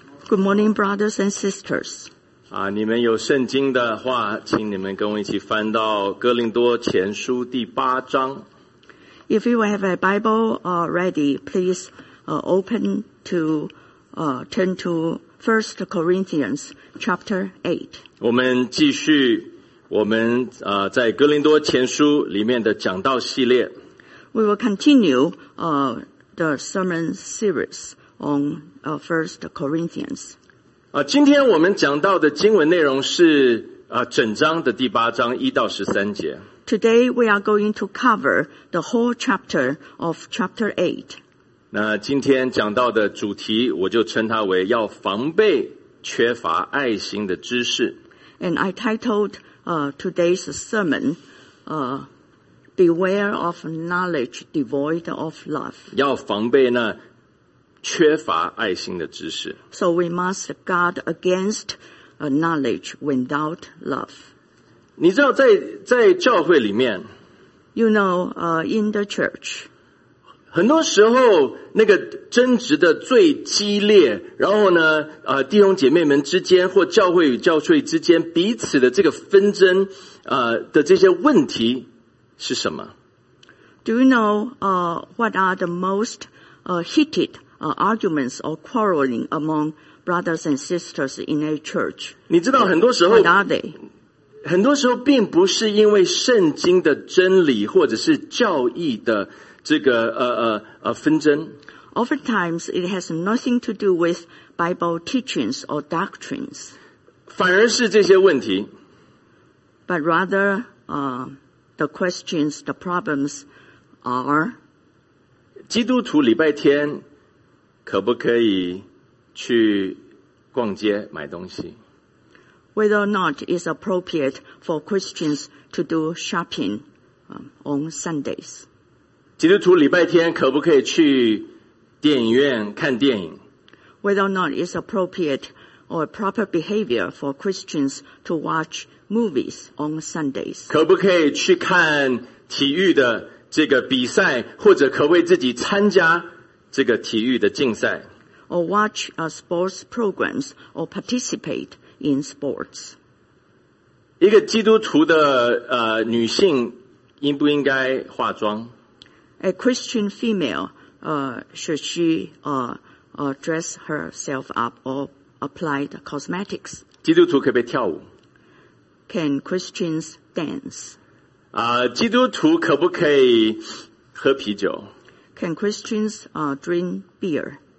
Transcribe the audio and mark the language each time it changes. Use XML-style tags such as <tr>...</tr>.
<en>Good morning, brothers and sisters.</en> <zh>啊，你们有圣经的话，请你们跟我一起翻到哥林多前书第八章。</zh> <en>If you have a Bible already, please turn to 1 Corinthians chapter 8.</en> <zh>我们继续我们在哥林多前书里面的讲道系列。</zh> <en>We will continue the sermon series. On First Corinthians.</en> <zh>今天我们讲到的经文内容是整章的第八章一到十三节。</zh> <en>Today we are going to cover the whole chapter of chapter 8.</en> <zh>那今天讲到的主题我就称它为要防备缺乏爱心的知识。</zh> <en>And I titled today's sermon, Beware of Knowledge Devoid of Love.</en> <zh>要防备呢缺乏爱心的知识。</zh> <en>So we must guard against a knowledge without love.</en> <zh>你知道在教会里面</zh> <en>You know, in the church.</en> <zh>很多时候那个争执的最激烈然后呢弟兄姐妹们之间或教会与教会之间彼此的这个纷争的这些问题是什么</zh> <en>Do you know, what are the most, heated arguments or quarreling among brothers and sisters in a church.</en> <zh>你知道很多时候</zh> <en>What are they?</en> <zh>很多时候并不是因为圣经的真理或者是教义的这个纷争。</zh> <en>Oftentimes, it has nothing to do with Bible teachings or doctrines.</en> <zh>反而是这些问题。</zh> <en>But rather, the questions, the problems are</en> <zh>基督徒礼拜天可不可以去逛街买东西</zh> <en>Whether or not it's appropriate for Christians to do shopping on Sundays.</en> <zh>基督徒礼拜天可不可以去电影院看电影</zh> <en>Whether or not it's appropriate or proper behavior for Christians to watch movies on Sundays.</en> <zh>可不可以去看体育的这个比赛或者可不可以自己参加这个体育的竞赛</zh> <en>or watch sports programs or participate in sports</en> <zh>一个基督徒的女性应不应该化妆</zh> <en>a Christian female should she dress herself up or apply the cosmetics</en> <zh>基督徒可不可以跳舞</zh> <en>can Christians dance</en> <zh>基督徒可不可以喝啤酒</zh> <en>Can Christians drink beer?</en>